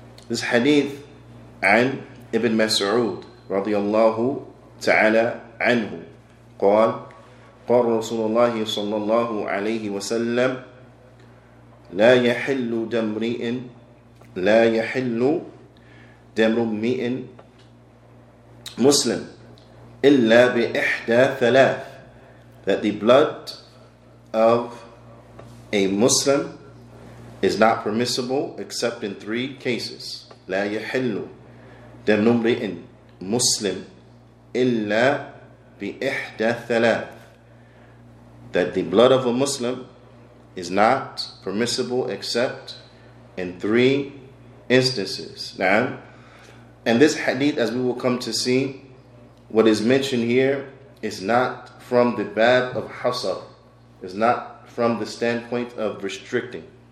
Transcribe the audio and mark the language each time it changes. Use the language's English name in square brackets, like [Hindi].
[English] This hadith [Arabic] عن ابن مسعود رضي الله تعالى عنه قال قال رسول الله صلى الله عليه وسلم لا يحل دم امرئ لا يحل دم امرئ مسلم إلا بإحدى ثلاث. [English] That the blood of a Muslim is not permissible except in three cases. [Arabic] لا يحل دم امرئ مسلم إلا بإحدى ثلاث. [English] That the blood of a Muslim is not permissible except in three instances. [Arabic] نعم. [English] And this hadith, as we will come to see, what is mentioned here is not from the bab of hasar, is not from the standpoint of restricting.